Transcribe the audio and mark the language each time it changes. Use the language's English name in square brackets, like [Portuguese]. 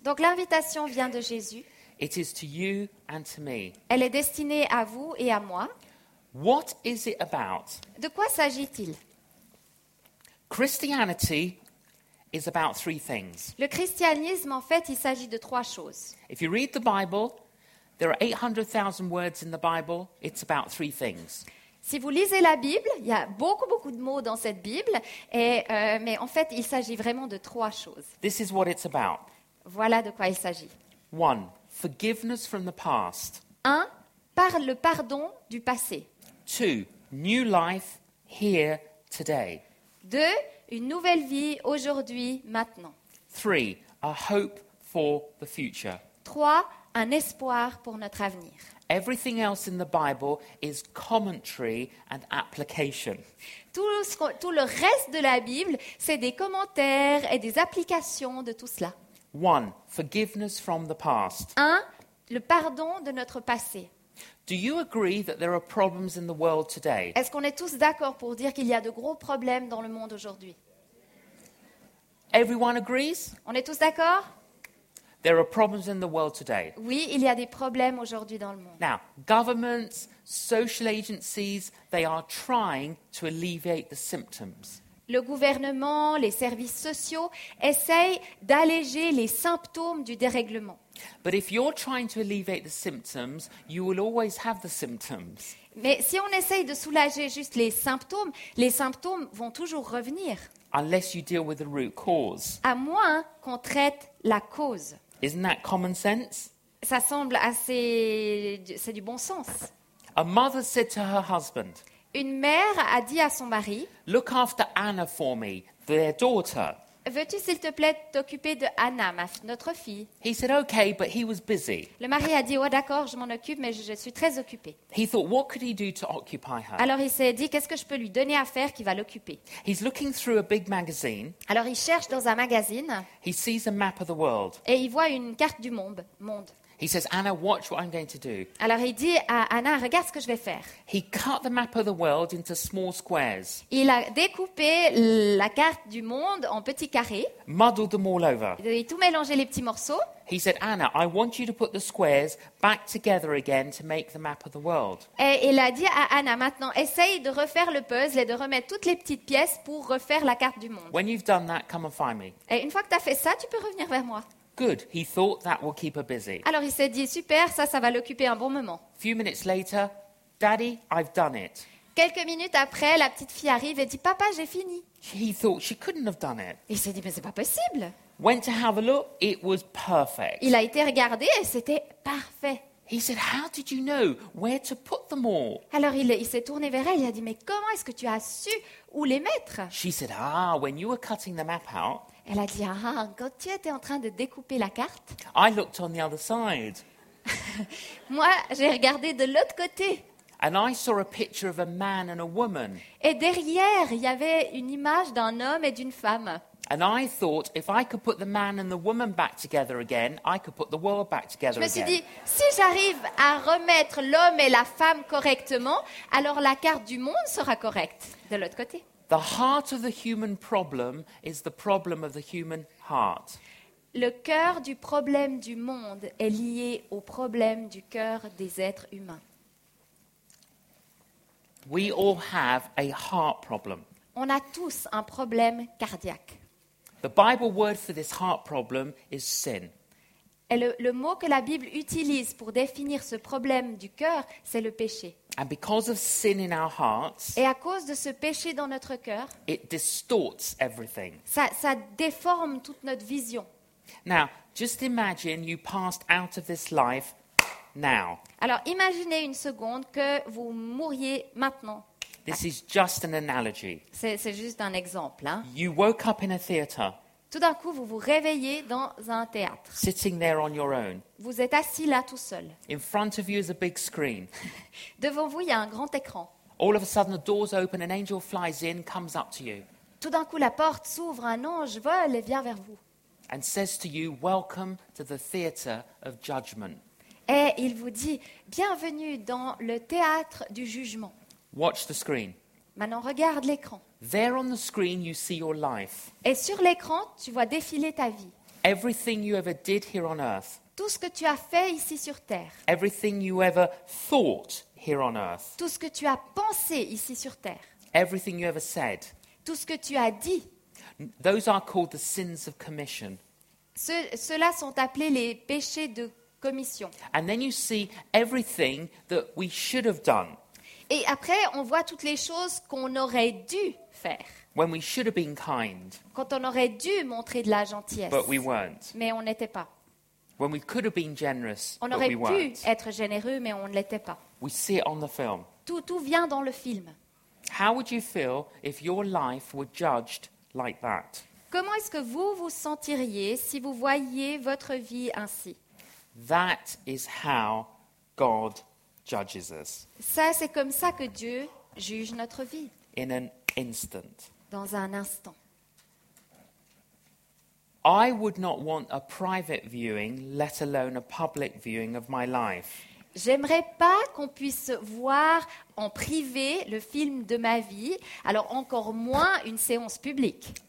[French] Donc l'invitation vient de Jésus. [English] It is to you and to me. [French] Elle est destinée à vous et à moi. [English] What is it about? [French] De quoi s'agit-il? [English] Christianity is about three things. [French] Le christianisme, en fait, il s'agit de trois choses. [English] If you read the Bible, there are 800,000 words in the Bible. It's about three things. [French] Si vous lisez la Bible, il y a beaucoup beaucoup de mots dans cette Bible, et mais en fait, il s'agit vraiment de trois choses. [English] This is what it's about. [French] Voilà de quoi il s'agit. [English] One, forgiveness from the past. [French] Un, par le pardon du passé. [English] Two, new life here today. [French] Deux, une nouvelle vie aujourd'hui, maintenant. [English] Three, a hope for the future. [French] Trois, un espoir pour notre avenir. [English] Everything else in the Bible is commentary and application. [French] Tout le reste de la Bible, c'est des commentaires et des applications de tout cela. [English] One, forgiveness from the past. [French] Un, le pardon de notre passé. [English] Do you agree that there are problems in the world today? [French] Est-ce qu'on est tous d'accord pour dire qu'il y a de gros problèmes dans le monde aujourd'hui? [English] Everyone agrees? [French] On est tous d'accord? [English] There are problems in the world today. [French] Oui, il y a des problèmes aujourd'hui dans le monde. [English] Now, governments, social agencies, they are trying to alleviate the symptoms. [French] Le gouvernement, les services sociaux essayent d'alléger les symptômes du dérèglement. [English] But if you're trying to alleviate the symptoms, you will always have the symptoms. [French] Mais si on essaye de soulager juste les symptômes vont toujours revenir. [English] Unless you deal with the root cause. [French] À moins qu'on traite la cause. [English] Isn't that common sense? [French] Ça semble assez, c'est du bon sens. [English] A mother said to her husband. [French] Une mère a dit à son mari. [English] Look after Anna for me, their daughter. [French] Veux-tu s'il te plaît t'occuper de Anna, notre fille? [English] He said okay, but he was busy. [French] Le mari a dit ouais d'accord, je m'en occupe, mais je suis très occupé. [English] He thought what could he do to occupy her? [French] Alors il s'est dit qu'est-ce que je peux lui donner à faire qui va l'occuper? [English] He's looking through a big magazine. [French] Alors il cherche dans un magazine. [English] He sees a map of the world. [French] Et il voit une carte du monde. [English] He says Anna, watch what I'm going to do. [French] Alors il dit à Anna, regarde ce que je vais faire. [English] He cut the map of the world into small squares. [French] Il a découpé la carte du monde en petits carrés. [English] Muddled them all over. [French] Il a tout mélangé les petits morceaux. [English] He said Anna, I want you to put the squares back together again to make the map of the world. [French] Et il a dit à Anna, maintenant essaye de refaire le puzzle et de remettre toutes les petites pièces pour refaire la carte du monde. [English] When you've done that, come and find me. [French] Et une fois que tu as fait ça, tu peux revenir vers moi. [English] Good. He thought that will keep her busy. [French] Alors il s'est dit super, ça va l'occuper un bon moment. [English] Few minutes later, Daddy, I've done it. [French] Quelques minutes après, la petite fille arrive et dit papa, j'ai fini. [English] He thought she couldn't have done it. [French] Il s'est dit mais c'est pas possible. [English] Went to have a look, it was perfect. [French] Il a été regarder et c'était parfait. [English] He said, "How did you know where to put them all?" [French] Alors il s'est tourné vers elle et a dit, "Mais comment est-ce que tu as su où les mettre?" [English] She said, "Ah, when you were cutting the map out." [French] Elle a dit, "Ah, quand tu étais en train de découper la carte." [English] I looked on the other side. [French] Moi, j'ai regardé de l'autre côté. [English] And I saw a picture of a man and a woman. [French] Et derrière, il y avait une image d'un homme et d'une femme. [English] And I thought, if I could put the man and the woman back together again, I could put the world back together again. [French] Je me suis dit, si j'arrive à remettre l'homme et la femme correctement, alors la carte du monde sera correcte de l'autre côté. [English] The heart of the human problem is the problem of the human heart. [French] Le cœur du problème du monde est lié au problème du cœur des êtres humains. [English] We all have a heart problem. [French] On a tous un problème cardiaque. [English] The Bible word for this heart problem is sin. [French] Et le mot que la Bible utilise pour définir ce problème du cœur, c'est le péché. [English] And because of sin in our hearts, [French] et à cause de ce péché dans notre cœur, [English] it distorts everything. [French] Ça déforme toute notre vision. [English] Now, just imagine you passed out of this life now. [French] Alors, imaginez une seconde que vous mouriez maintenant. [English] This is just an analogy. [French] C'est juste un exemple, hein. [English] You woke up in a theater. [French] Tout d'un coup, vous vous réveillez dans un théâtre. [English] Sitting there on your own. [French] Vous êtes assis là tout seul. [English] In front of you is a big screen. [French] Devant vous, il y a un grand écran. [English] All of a sudden, the doors open, an angel flies in, comes up to you. [French] Tout d'un coup, la porte s'ouvre, un ange vole et vient vers vous. [English] And says to you, "Welcome to the theater of judgment." [French] Et il vous dit, bienvenue dans le théâtre du jugement. [English] Watch the screen. [French] Maintenant, regarde l'écran. [English] There on the screen, you see your life. [French] Et sur l'écran, tu vois défiler ta vie. [English] Everything you ever did here on earth. [French] Tout ce que tu as fait ici sur terre. [English] Everything you ever thought here on earth. [French] Tout ce que tu as pensé ici sur terre. [English] Everything you ever said. [French] Tout ce que tu as dit. [English] Those are called the sins of commission. [French] Ceux-là sont appelés les péchés de commission. [English] And then you see everything that we should have done. [French] Et après, on voit toutes les choses qu'on aurait dû faire. [English] When we should have been kind. [French] Quand on aurait dû montrer de la gentillesse. [English] But we weren't. [French] Mais on n'était pas. [English] When we could have been generous. [French] On aurait [English] but we [French] pu [English] weren't. [French] Être généreux, mais on ne l'était pas. [English] We see it on the film. [French] Tout vient dans le film. [English] How would you feel if your life were judged like that? [French] Comment est-ce que vous vous sentiriez si vous voyiez votre vie ainsi? [English] That is how God judges us. [French] Ça, c'est comme ça que Dieu juge notre vie. [English] In an instant. [French] Dans un instant. [English] I would not want a private viewing, let alone a public viewing of my life. [French] J'aimerais pas qu'on puisse voir en privé le film de ma vie, alors encore moins une séance publique.